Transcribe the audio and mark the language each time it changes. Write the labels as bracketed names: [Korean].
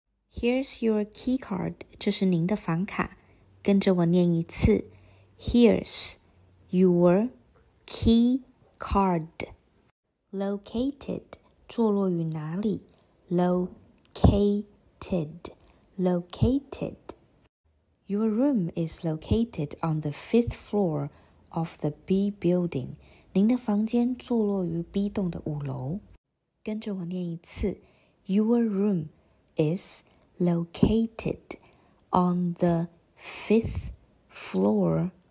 [English] Here's your key card, [Chinese] 这是您的房卡。跟着我念一次 [English] Here's your key card. Located, [Chinese] 坐落于哪里 [English] Located, located. Your room is located on the fifth floor of the B building. [Chinese] 您的房间坐落于 B 栋的五楼。跟着我念一次 [English] Your room is located on the fifth floor.